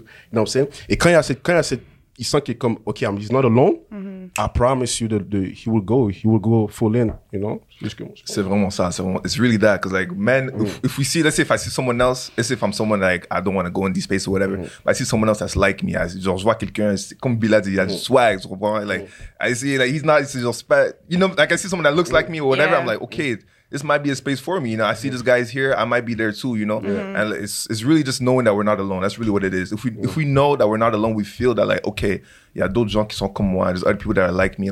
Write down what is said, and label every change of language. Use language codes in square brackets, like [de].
[en] You know what I'm saying? [fr] Et quand il y a cette il sent qu'il est comme, OK, [en] he's not alone. I promise you that he will go. He will go full in, you know? [fr] C'est vraiment ça. [en] It's really that. Because, like, men, if we see, let's say someone else, let's say I'm someone, like, I don't want to go in this space or whatever. But I see someone else that's like me. [fr] Genre, je vois quelqu'un, comme Bila dit, il a swag, tu comprends? [en] Like, I see, like, he's not, it's just, you know, like, I see someone that looks like me or whatever. Yeah. I'm like, OK, this might be a space for me. You know, I see this guy's here. I might be there too, you know? Yeah. And it's really just knowing that we're not alone. That's really what it is. If we know that we're not alone, we feel that, like, okay, yeah, [fr] d'autres gens qui sont comme moi, [en] there's other people that are like me.